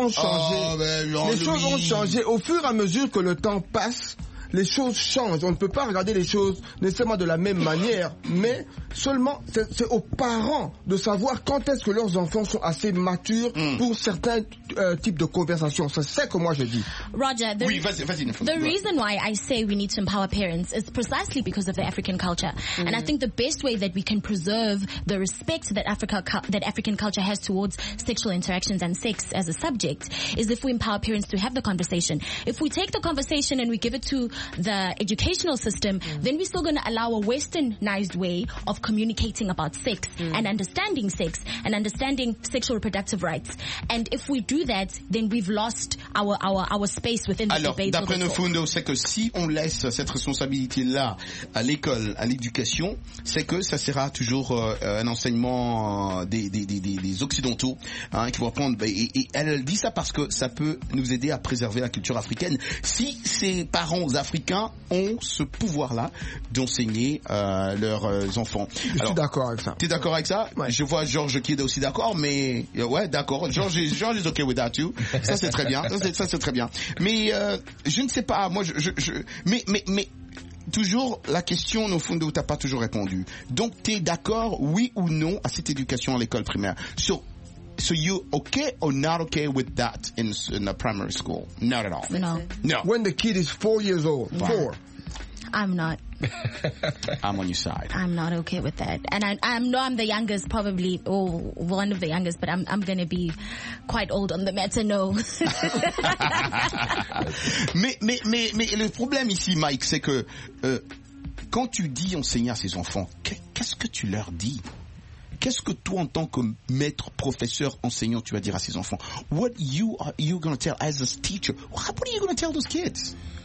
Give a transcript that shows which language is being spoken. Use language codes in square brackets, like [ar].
[fr] les choses ont changé au fur et à mesure que le temps passe. Les choses changent. On ne peut pas regarder les choses nécessairement de la même manière, mais seulement, c'est aux parents de savoir quand est-ce que leurs enfants sont assez matures pour certains types de conversations. C'est ce que moi je dis. [en] Roger, the reason why I say we need to empower parents is precisely because of the African culture. Mm-hmm. And I think the best way that we can preserve the respect that African culture has towards sexual interactions and sex as a subject is if we empower parents to have the conversation. If we take the conversation and we give it to the educational system, then we're still going to allow a westernized way of communicating about sex and understanding sex and understanding sexual reproductive rights. And if we do that, then we've lost our space within the [fr] alors, [en] debate. [fr] D'après Nofundo, c'est que si on laisse cette responsabilité-là à l'école, à l'éducation, c'est que ça sera toujours un enseignement des occidentaux hein, qui vont prendre. Et elle dit ça parce que ça peut nous aider à préserver la culture africaine. Si ses parents africains ont ce pouvoir-là d'enseigner leurs enfants. Alors, je suis d'accord avec ça. Tu es d'accord avec ça? Ouais. Je vois Georges qui est aussi d'accord, mais ouais, d'accord. [en] Georges is okay with that too. [fr] Ça c'est très bien. Ça c'est très bien. Mais je ne sais pas. Moi, mais toujours la question au fond de où t'as pas toujours répondu. Donc t'es d'accord, oui ou non, à cette éducation à l'école primaire? [en] So you okay or not okay with that in the primary school? Not at all. No. When the kid is 4 years old, wow. Four. I'm not. I'm on your side. I'm not okay with that. And I know I'm the youngest, probably, or one of the youngest, but I'm going to be quite old on the matter, no. [fr] mais le problème ici, Mike, c'est que quand tu dis enseigner à ses enfants, qu'est-ce que tu leur dis? Qu'est-ce que toi, en tant que maître-professeur, enseignant, tu vas dire à ses enfants? [en] What you going to tell as a teacher? What are you going to tell those kids?